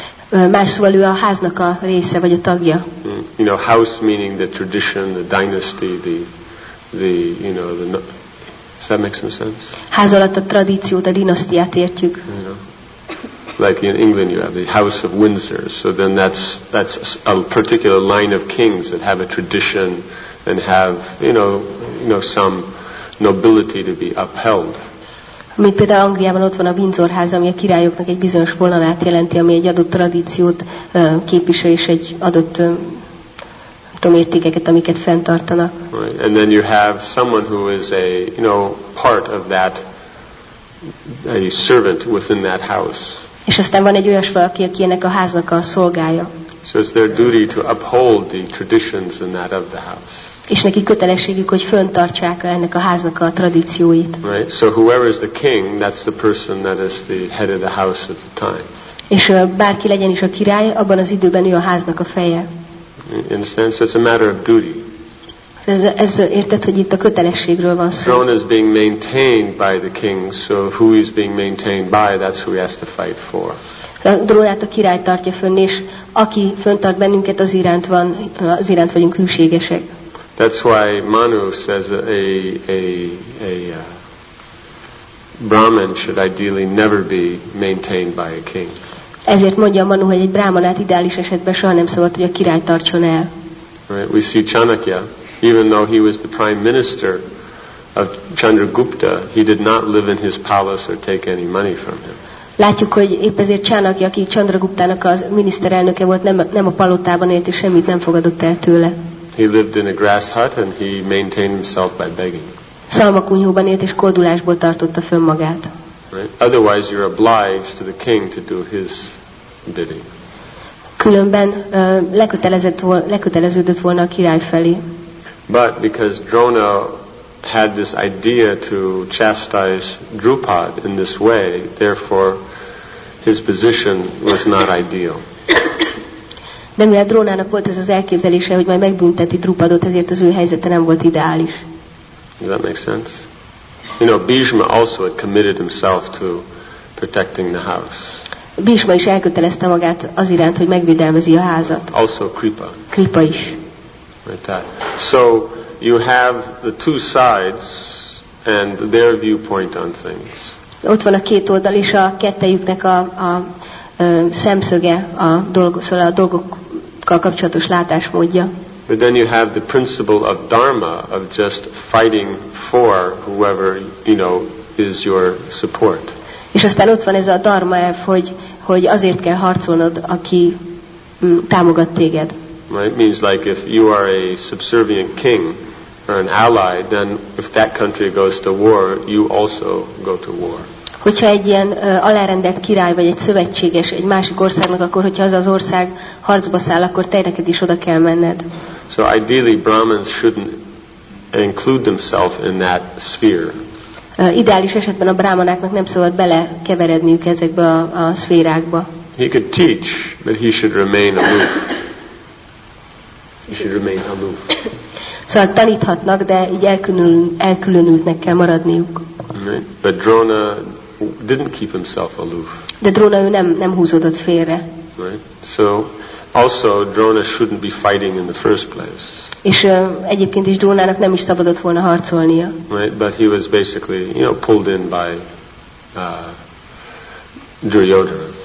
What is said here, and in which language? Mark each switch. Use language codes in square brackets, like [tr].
[hu] Más szóval ő a háznak a része vagy a tagja. [en] You know, house meaning the tradition, the dynasty, the does that make some sense? [hu] Ház alatt a tradíciót, a dinasztiát értjük. [en] Like in England you have the House of Windsor, so then that's a particular line of kings that have a tradition and have you know some nobility to be upheld. [hu] Mint például Angliában ott van a Windsor ház, ami a királyoknak egy bizonyos vonalát jelenti, ami egy adott tradíciót képvisel és egy adott értékeket, amiket fenntartanak. [en] Right. And then you have someone who is a part of that, a servant within that house. [hu] És aztán van egy olyas valaki, aki ennek a háznak a szolgája. [en] So it's their duty to uphold the traditions in that of the house. [hu] És neki kötelességük, hogy fönntartsák ennek a háznak a tradícióit. [en] Right. So whoever is the king, that's the person that is the head of the house at the time. [hu] És bárki legyen is a király, abban az időben ő a háznak a feje. [en] In a sense, it's a matter of duty. [hu] Ez érted, hogy itt a kötelességről van szó. [en] Throne is being maintained by the king, so who is being maintained by, that's who he has to fight for. [hu] A drónát a király tartja fönn, és aki fönntart bennünket, az iránt vagyunk hűségesek. [en] That's why Manu says Brahman should ideally never be maintained by a king. [hu] Ezért mondja Manu, hogy egy brámanát ideális esetben soha nem szabad, hogy a király tartson el. [en] Right. We see Chanakya, even though he was the prime minister of Chandragupta, he did not live in his palace or take any money from him. [hu] Látjuk, hogy épp ezért Chanakya, aki Chandraguptának a miniszterelnöke volt, nem a palotában élt, és semmit nem fogadott el tőle. [en] He lived in a grass hut and he maintained himself by begging. [hu] Szalmakunyhóban élt és kordulásból tartotta fönn magát. [en] Right? Otherwise you're obliged to the king to do his bidding. [hu] Különben leköteleződött volna a király felé. [en] But because Drona had this idea to chastise Drupad in this way, therefore his position was not ideal. [hu] De mivel Drónának volt ez az elképzelése, hogy majd megbünteti Drupadot, ezért az ő helyzete nem volt ideális. [en] Does that make sense? You know, Bhishma also had committed himself to protecting the house. [hu] Bhishma is elkötelezte magát az iránt, hogy megvédelmezi a házat. [en] Also Kripa. [hu] Kripa is. [en] Right. That. So you have the two sides and their viewpoint on things. [hu] Ott van a két oldal és a kettejüknek a szemszöge a dolgokkal kapcsolatos látásmódja. [en] But then you have the principle of dharma of just fighting for whoever is your support. [hu] És aztán ott van ez a dharma elv, hogy azért kell harcolnod, aki támogat téged. [en] Right? Means like if you are a subservient king or an ally, then if that country goes to war, you also go to war. [hu] Hogyha egy ilyen alárendelt király vagy egy szövetséges egy másik országnak, akkor hogyha az ország harcba száll, akkor te neked is oda kell menned. [en] So ideally Brahmins shouldn't include themselves in that sphere. [hu] Ideális esetben a brahmanáknak nem szabad belekeveredniük ezekbe a szférákba. [en] He could teach, but he should remain aloof. He should remain aloof. [hu] Szóval taníthatnak, de így elkülönültnek kell maradniuk. [en] Right. But Drona didn't keep himself aloof. [hu] De Drona nem húzódott félre. [en] Right. So also Drona shouldn't be fighting in the first place. [hu] És egyébként is Drónának nem is szabadott volna harcolnia. [en] Right. But he was basically, pulled in by Duryodhana.